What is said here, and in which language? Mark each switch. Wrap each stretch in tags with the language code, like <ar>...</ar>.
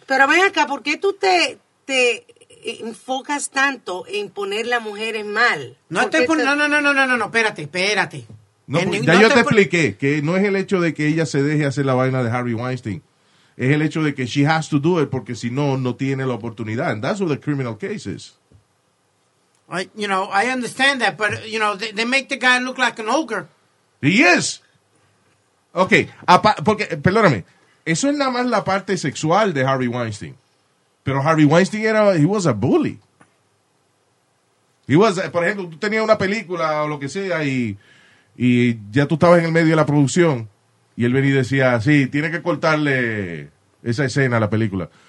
<es>Pero ven acá, ¿por qué tú te enfocas tanto en poner las mujeres mal? No estoy poniendo, no, espérate. No, ya yo te expliqué que no es el hecho de que ella se deje hacer la vaina de Harvey Weinstein. Es el hecho de que</es> <en>she has to do it</en> <es>porque si no, no tiene la oportunidad.</es> <en>And that's what the criminal case is. You know, I understand that, but, you know, they make the guy look like an ogre. He is.</en> <es>Okay, porque, perdóname, eso es nada más la parte sexual de Harvey Weinstein. Pero Harvey Weinstein era,</es> <en>he was a bully. He was,</en> <es>por ejemplo, tú tenías una película o lo que sea y ya tú estabas en el medio de la producción y él venía y decía, sí, tiene que cortarle esa escena a la película.</es>